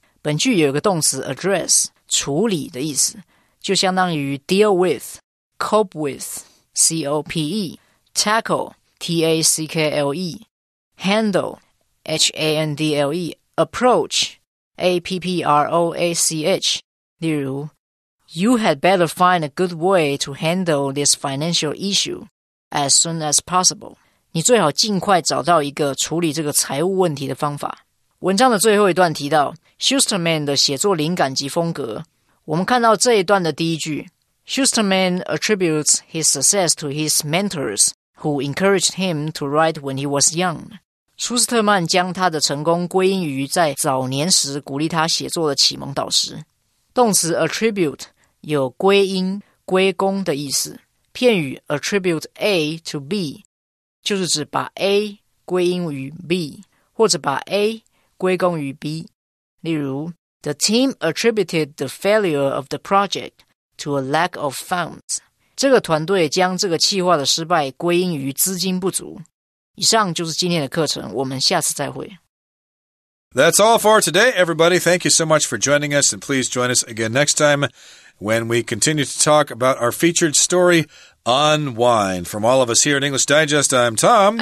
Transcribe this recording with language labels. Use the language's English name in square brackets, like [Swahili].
[Chinese] 本句有一个动词 [English] address, [Chinese] 处理的意思，就相当于 [English] deal with, cope with, C-O-P-E, tackle, T-A-C-K-L-E, handle, H-A-N-D-L-E, approach,A-P-P-R-O-A-C-H, 例如 You had better find a good way to handle this financial issue as soon as possible. [Chinese] 你最好尽快找到一个处理这个财务问题的方法。文章的最后一段提到 Schusterman 的写作灵感及风格。我们看到这一段的第一句 [English] Schusterman attributes his success to his mentors who encouraged him to write when he was young. [Chinese] 舒斯特曼将他的成功归因于在早年时鼓励他写作的启蒙导师。动词 attribute 有归因、归功的意思。片语 attribute A to B 就是指把 A 归因于 B 或者把 A 归功于 B。例如 [English] The team attributed the failure of the project to a lack of funds. [Chinese] 这个团队将这个企划的失败归因于资金不足。以上就是今天的课程，我们下次再会。 [English] That's all for today, everybody. Thank you so much for joining us, and please join us again next time when we continue to talk about our featured story, Unwind. From all of us here at English Digest, I'm Tom.